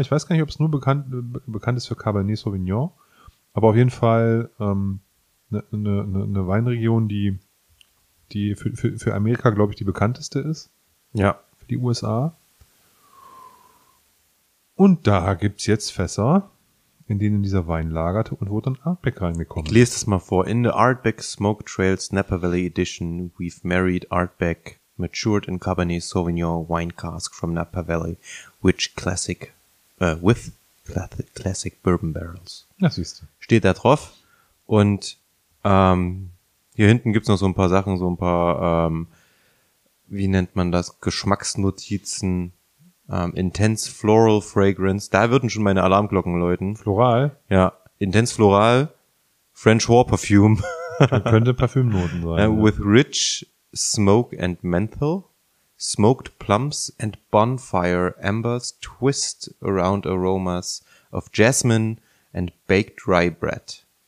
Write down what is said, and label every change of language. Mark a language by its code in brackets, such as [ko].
[de] Ich weiß gar nicht, ob es nur bekannt ist für Cabernet Sauvignon. Aber auf jeden Fall eine Weinregion, die für Amerika, glaube ich, die bekannteste ist. Ja. Für die USA. Und da gibt's jetzt Fässer, in denen dieser Wein lagerte und wo dann Artback reingekommen ist. Ich lese das mal vor. [en] In the Artback Smoke Trails Napa Valley Edition, we've married Artback matured in Cabernet Sauvignon wine cask from Napa Valley, which classic with classic bourbon barrels. [de] Das siehst du. Steht da drauf. Und hier hinten gibt's noch so ein paar Sachen, so ein paar wie nennt man das, Geschmacksnotizen, Intense Floral Fragrance, da würden schon meine Alarmglocken läuten. Floral? [en] Ja, Intense Floral, French War Perfume. [de] Das könnte Parfümnoten sein. [en] With rich smoke and menthol, smoked plums and bonfire embers twist around aromas of jasmine and baked rye bread.